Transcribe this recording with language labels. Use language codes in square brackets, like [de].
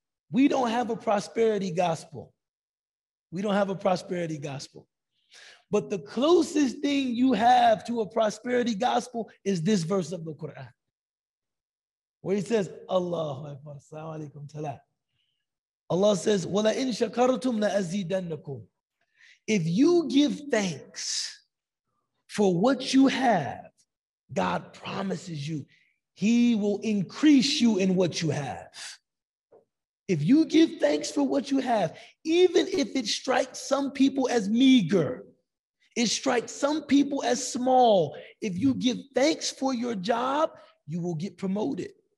[en] We don't have a prosperity gospel. We don't have a prosperity gospel. But the closest thing you have to a prosperity gospel is this verse of the Quran, where he says, Allahu Akbar, Assalamu alaikum tala. Allah says, [ar] وَلَئِن شَكَرْتُمْ لَأَزِيدَنَّكُمْ. [en] If you give thanks for what you have, God promises you, he will increase you in what you have. If you give thanks for what you have, even if it strikes some people as meager, it strikes some people as small, if you give thanks for your job, you will get promoted.